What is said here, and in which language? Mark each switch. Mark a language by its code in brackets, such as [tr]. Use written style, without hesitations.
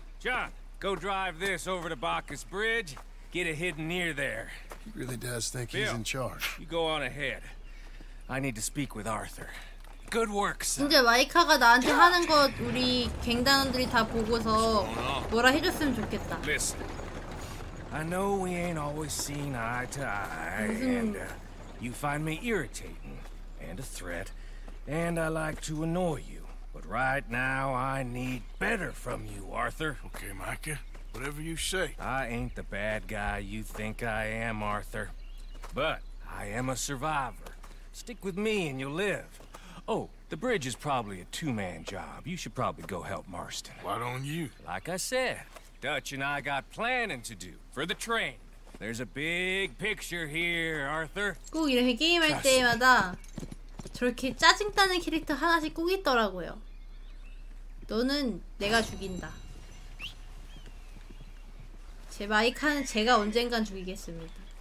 [en] John, go drive this over to Bacchus Bridge. Get a hidden ear there. He really does think Bill, he's in charge. You go on ahead. I need to speak with Arthur. Good work, son. [ko] 근데 마이카가 나한테 하는 거 우리 갱단원들이 다 보고서 뭐라 해줬으면 좋겠다. [en] Listen, I know we ain't always seen eye to eye, and you find me irritating and a threat, and I like to annoy you. But right now, I need better from you, Arthur. Okay, Micah. Whatever you say. I ain't the bad guy you think I am, Arthur. But I am a survivor. Stick with me and you'll live. Oh, the bridge is probably a two-man job. You should probably go help Marston. Why don't you? Like I said, Dutch and I got planning to do for the train. There's a big picture here, Arthur. [ko] 꼭 이렇게 게임할 때마다 저렇게 짜증나는 캐릭터 하나씩 꼭 있더라고요. 너는 내가 죽인다. 제 마이카는 제가 언젠간 죽이겠습니다.